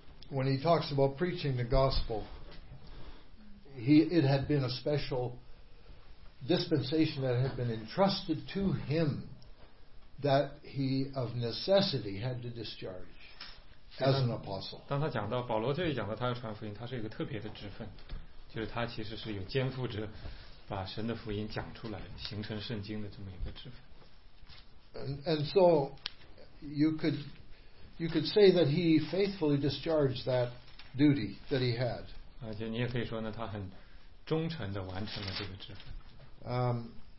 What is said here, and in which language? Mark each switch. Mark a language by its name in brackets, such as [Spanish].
[English] When he talks about preaching the gospel, it had been a special dispensation that had been entrusted to him that he of necessity had to discharge. As an apostle. [Chinese] 当他讲到保罗这里讲到他要传福音，他是一个特别的职分，就是他其实是有肩负着把神的福音讲出来，形成圣经的这么一个职分。 [English] And so you could say that he faithfully discharged that duty that he had. [Chinese] 而且你也可以说呢，他很忠诚地完成了这个职分。